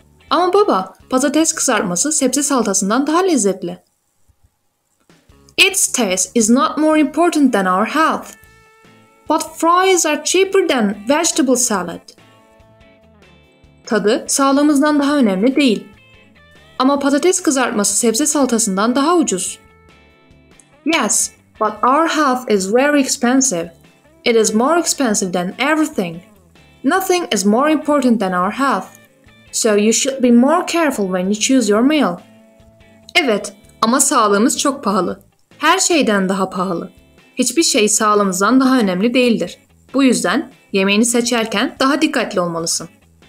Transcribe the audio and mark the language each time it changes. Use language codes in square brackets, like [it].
[tr] Ama baba, patates kızartması sebze salatasından daha lezzetli. [en] Its taste is not more important than our health. But fries are cheaper than vegetable salad. [tr] Tadı sağlığımızdan daha önemli değil. Ama patates kızartması sebze salatasından daha ucuz. [en] Yes, but our health is very expensive. It is more expensive than everything. Nothing is more important than our health. So you should be more careful when you choose your meal. [tr] Evet, ama sağlığımız çok pahalı. Her şeyden daha pahalı. Hiçbir şey sağlığımızdan daha önemli değildir. Bu yüzden yemeğini seçerken daha dikkatli olmalısın.